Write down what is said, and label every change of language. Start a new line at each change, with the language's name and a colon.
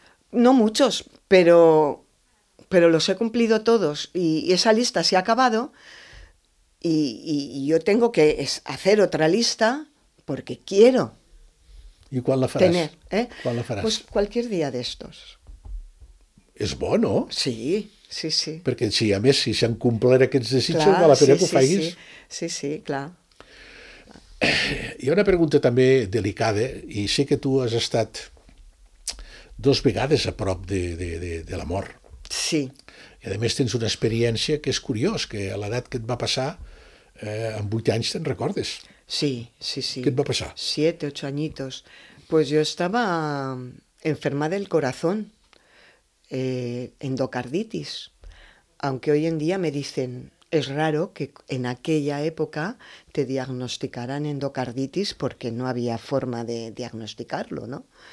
Spanish: No muchos, pero los he cumplido todos. Y esa lista se ha acabado y yo tengo que hacer otra lista... Porque quiero. ¿Y cuál la farás? Tener, ¿eh? ¿Cuál la farás? Pues cualquier día de estos. ¿Es bueno? Sí, sí, sí.
Catalan: Porque sí, a més, si s'han complert aquests desitjos, val la pena que ho facis. Sí, sí, sí, clar. Hi ha una pregunta també delicada, i sé que tu has estat 2 vegades a prop de la mort. Sí. I a més tens una experiència que és curiós, que a l'edat que et va passar, amb 8 anys te'n recordes. Sí, sí, sí.
Spanish: ¿Qué te va a pasar? 7, 8 añitos. Pues yo estaba enferma del corazón, endocarditis. Aunque hoy en día me dicen, es raro que en aquella época te diagnosticaran endocarditis porque no había forma de diagnosticarlo, ¿no?